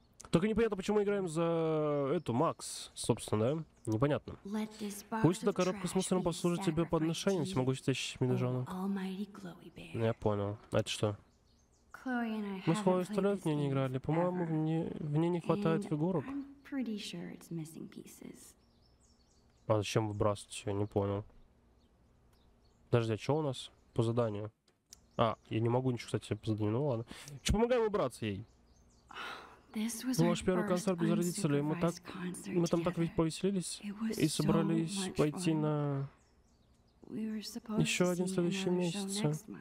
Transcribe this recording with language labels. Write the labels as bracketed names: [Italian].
[Russian] Только непонятно, почему мы играем за эту Макс, собственно, да? Непонятно. Пусть эта коробка с мусором послужит тебе подношением, всемогущий медвежонок. Я понял. Это что? Мы с Хлоей столько в ней не играли. По-моему, в ней не хватает фигурок. [English] Pretty sure it's missing pieces. [Russian] А зачем выбрасывать ее? Не понял. Подожди, а что у нас по заданию? А, я не могу ничего, кстати, по заданию. Ну ладно. Че, помогаем выбраться ей. Ну, наш первый концерт без родителей. Мы там так повеселились и собрались пойти на еще один следующий месяц.